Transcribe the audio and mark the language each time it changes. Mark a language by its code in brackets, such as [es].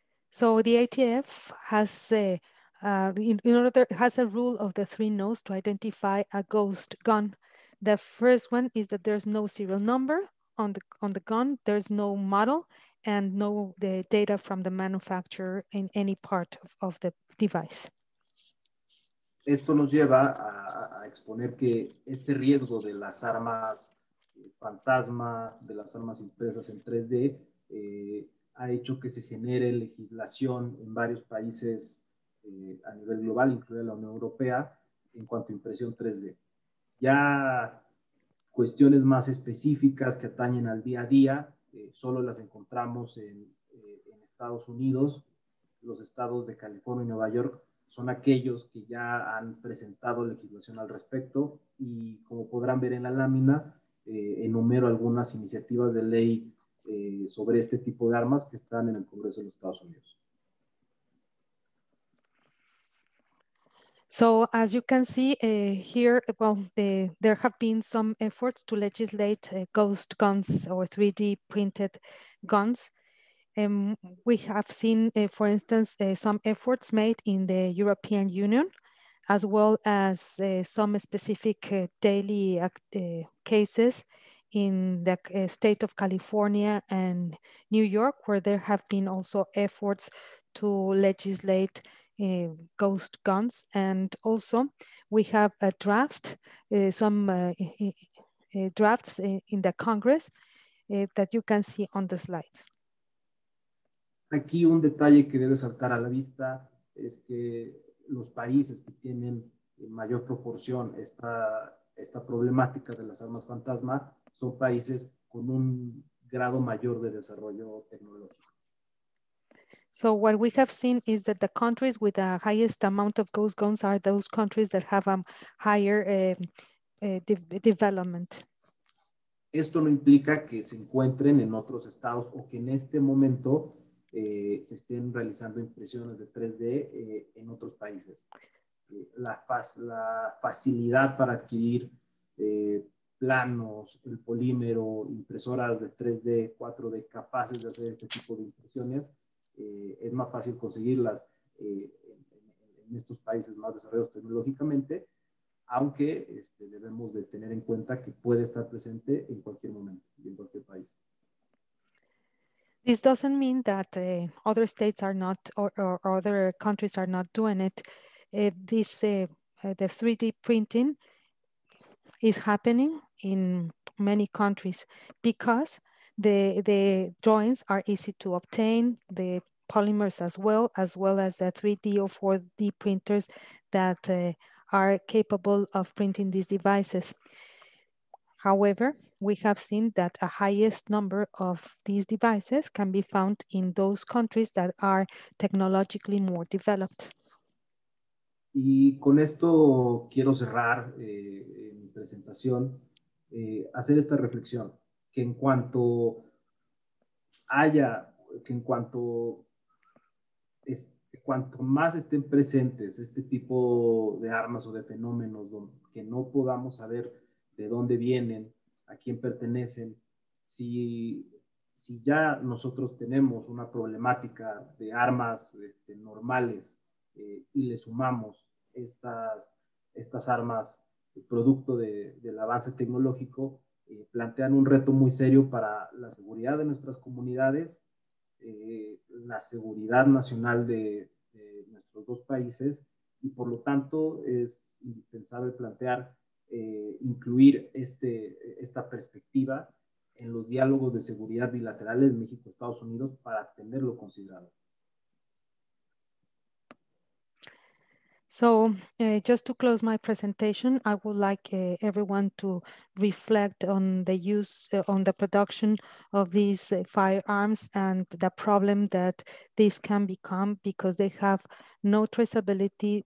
[en] So the ATF has a rule of the three no's to identify a ghost gun. The first one is that there's no serial number on the gun, there's no model, and no the data from the manufacturer in any part of the device. [es] Esto nos lleva a exponer que este riesgo de las armas fantasma, de las armas impresas en 3D, ha hecho que se genere legislación en varios países a nivel global, incluida la Unión Europea, en cuanto a impresión 3D. Ya cuestiones más específicas que atañen al día a día, solo las encontramos en Estados Unidos. Los estados de California y Nueva York son aquellos que ya han presentado legislación al respecto, y como podrán ver en la lámina, enumero algunas iniciativas de ley sobre este tipo de armas que están en el Congreso de los Estados Unidos. [en] So as you can see here, well, there have been some efforts to legislate ghost guns or 3D printed guns. We have seen, for instance, some efforts made in the European Union, as well as some specific daily cases in the state of California and New York, where there have been also efforts to legislate ghost guns. And also we have a draft, drafts in the Congress that you can see on the slides. [es] Aquí un detalle que debe saltar a la vista es que los países que tienen en mayor proporción esta problemática de las armas fantasma son países con un grado mayor de desarrollo tecnológico. [en] So what we have seen is that the countries with the highest amount of ghost guns are those countries that have a higher development. [es] Esto no implica que se encuentren en otros estados o que en este momento se estén realizando impresiones de 3D en otros países. La facilidad para adquirir planos, el polímero, impresoras de 3D, 4D, capaces de hacer este tipo de impresiones, es más fácil conseguirlas en estos países más desarrollados tecnológicamente, aunque debemos de tener en cuenta que puede estar presente en cualquier momento y en cualquier país. [en] This doesn't mean that other states are not or other countries are not doing it. The 3D printing is happening in many countries because the drawings are easy to obtain, the polymers as well as the 3D or 4D printers that are capable of printing these devices. However, we have seen that a highest number of these devices can be found in those countries that are technologically more developed. [es] Y con esto quiero cerrar mi presentación, hacer esta reflexión, que en cuanto más estén presentes este tipo de armas o de fenómenos que no podamos saber de dónde vienen, a quién pertenecen, si ya nosotros tenemos una problemática de armas normales y le sumamos estas armas producto del avance tecnológico, plantean un reto muy serio para la seguridad de nuestras comunidades, la seguridad nacional de nuestros dos países, y por lo tanto es indispensable plantear, incluir esta perspectiva en los diálogos de seguridad bilaterales de México-Estados Unidos para tenerlo considerado. [en] So just to close my presentation, I would like everyone to reflect on the use, on the production of these firearms and the problem that this can become because they have no traceability.